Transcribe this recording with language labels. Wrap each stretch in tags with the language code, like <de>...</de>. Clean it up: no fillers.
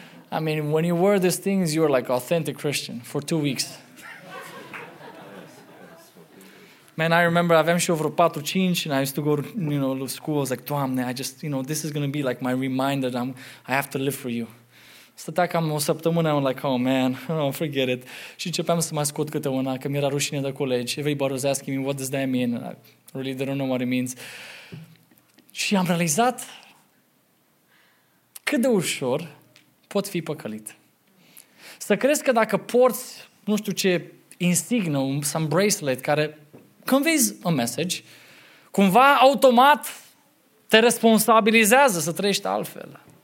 <en>I mean, when you wear these things, you're like authentic Christian for 2 weeks. Man, I remember</en> <ro>aveam și eu vreo 4-5</ro> <en>and I used to go to school. I was like, Doamne, this is going to be like my reminder that I have to live for you.</en> <ro>Stătea cam o săptămână,</ro> <en>I'm like, oh man, oh, forget it.</en> <ro>Și începeam să mai scot câte una, că mi-era rușine de colegi.</ro> <en>Everybody was asking me, what does that mean? And I really don't know what it means.</en> <ro>Și am realizat cât de ușor pot fi păcălit. Să crezi că dacă porți, nu știu ce, insignă,</ro> <en>some bracelet,</en> <ro>care</ro> <en>conveys a message,</en> <ro>cumva automat te responsabilizează să trăiești altfel.</ro>